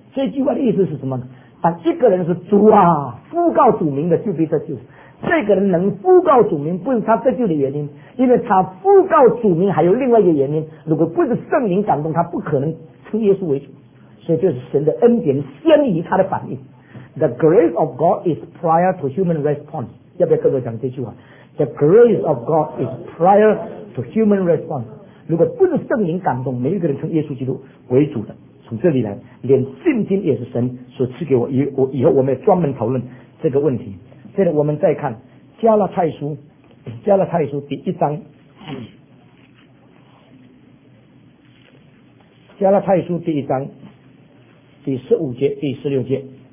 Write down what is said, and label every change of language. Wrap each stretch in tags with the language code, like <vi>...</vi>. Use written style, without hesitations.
<zh>这句话的意思是什么呢？但一个人是主啊，呼告主名的就被得救。这个人能呼告主名，不是他得救的原因，因为他呼告主名还有另外一个原因，如果不是圣灵感动，他不可能称耶稣为主。所以就是神的恩典先于他的反应。</zh> <en>The grace of God is prior to human response.</en> <zh>要不要各位讲这句话？</zh> <en>The grace of God is prior to human response.</en> <zh>如果不是圣灵感动，没一个人称耶稣基督为主的。从这里来，连信心也是神所赐给我。以后我们也专门讨论这个问题。现在我们再看加拉太书，加拉太书第1章，加拉太书第1章第15节、第16节。</zh>